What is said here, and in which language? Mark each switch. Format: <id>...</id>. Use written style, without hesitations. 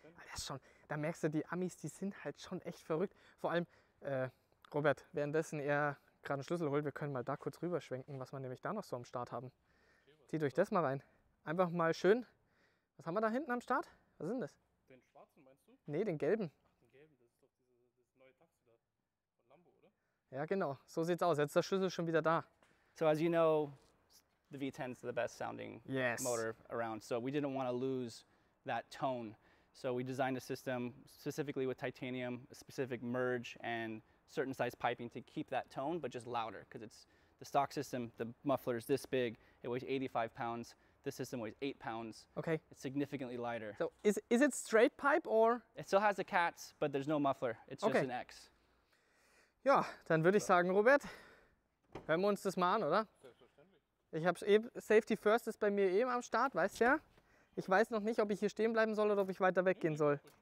<de>Das ist schon, da merkst du, die Amis, die sind halt schon echt verrückt. Vor allem, Robert, währenddessen er gerade einen Schlüssel holt, wir können mal da kurz rüberschwenken, was wir nämlich da noch so am Start haben. Zieht euch das mal rein. Einfach mal schön. Was haben wir da hinten am Start? Was sind das? Den schwarzen, meinst du? Nee, den gelben. Den gelben, das ist doch das neue Taxi da von Lambo, oder? Ja, genau. So sieht's aus. Jetzt ist der Schlüssel schon wieder da.</de> <en>So, as you know, the V10 is the best sounding motor around. So we didn't want to lose that tone. So we designed a system specifically with titanium, a specific merge and certain size piping to keep that tone, but just louder. Because it's the stock system, the muffler is this big. It weighs 85 pounds. This system weighs 8 pounds. Okay. It's significantly lighter. So is it straight pipe or? It still has the cats, but there's no muffler. It's just an X.</en> <de>Ja, dann würde ich sagen, Robert, hören wir uns das mal an, oder? Ich habe Safety First ist bei mir eben am Start, weißt du ja? Ich weiß noch nicht, ob ich hier stehen bleiben soll oder ob ich weiter weggehen soll.</de>